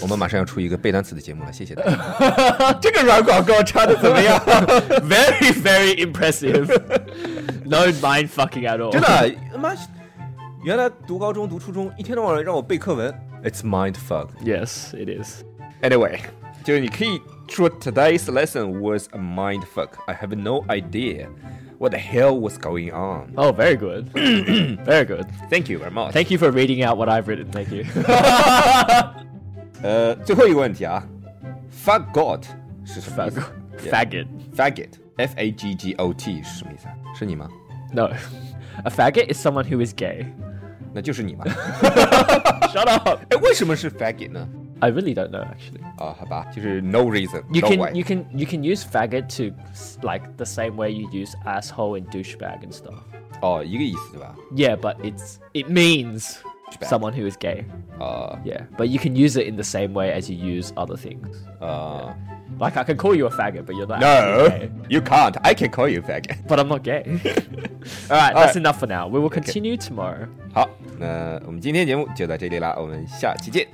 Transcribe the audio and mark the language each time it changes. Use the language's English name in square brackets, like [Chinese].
[Chinese] 我们马上要出一个背单词的节目了谢谢大家。这个软广告插得怎么样 [English] very, very impressive. No mind fucking at all. [Chinese] 真的，妈，原来读高中、读初中，一天到晚让我背课文。 [English] It's mind fuck. Yes, it is. Anyway, [Chinese] 就是你可以说 [English] today's lesson was a mind fuck. I have no idea what the hell was going on. Oh, very good. very good. Thank you very much. Thank you for reading out what I've written. Thank you. [Chinese] 最后一个问题啊 ，fuck God 是什么意思？ [English] Faggot. Faggot. [Chinese] F-A-G-G-O-T 是什么意思、啊、是你吗 [English] No. A faggot is someone who is gay. [Chinese] 那就是你吗 [English] Shut up. [Chinese] 哎，为什么是 faggot 呢 [English] I really don't know, actually. [Chinese] 哦，好吧，就是 [English] no reason, you no can, way. You can use faggot to, like, the same way you use asshole and douchebag and stuff. [Chinese] 哦，一个意思对吧 [English] Yeah, but it means... Someone who is gay. Yeah, but you can use it in the same way as you use other things. Yeah. Like I can call you a faggot, but you're not. No, you can't. I can call you a faggot, but I'm not gay. All right, All that's right. enough for now. We will continue tomorrow. [Chinese] 好，那我们今天节目就到这里了。我们下期见。